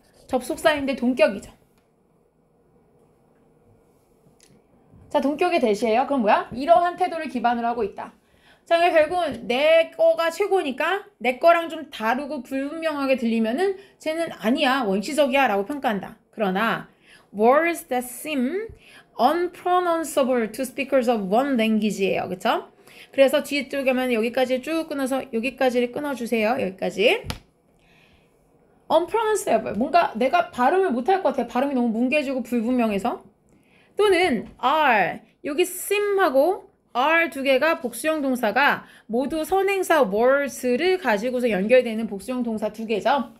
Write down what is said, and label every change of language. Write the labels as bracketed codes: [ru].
[ko] 접속사인데 동격이죠. 자, 동격의 대시예요. 그럼 뭐야? 이러한 태도를 기반으로 하고 있다. 자, 결국은 내 거가 최고니까 내 거랑 좀 다르고 불분명하게 들리면은 쟤는 아니야, 원시적이야 라고 평가한다. 그러나 [en] words that seem unpronounceable to speakers of one language예요. [ko] 그쵸? 그래서 뒤쪽에 보면 여기까지 쭉 끊어서 여기까지를 끊어주세요. 여기까지. unpronounceable. 뭔가 내가 발음을 못할 것 같아. 발음이 너무 뭉개지고 불분명해서. 또는 are. 여기 seem하고 are 두 개가 복수형 동사가 모두 선행사 was를 가지고서 연결되는 복수형 동사 두 개죠.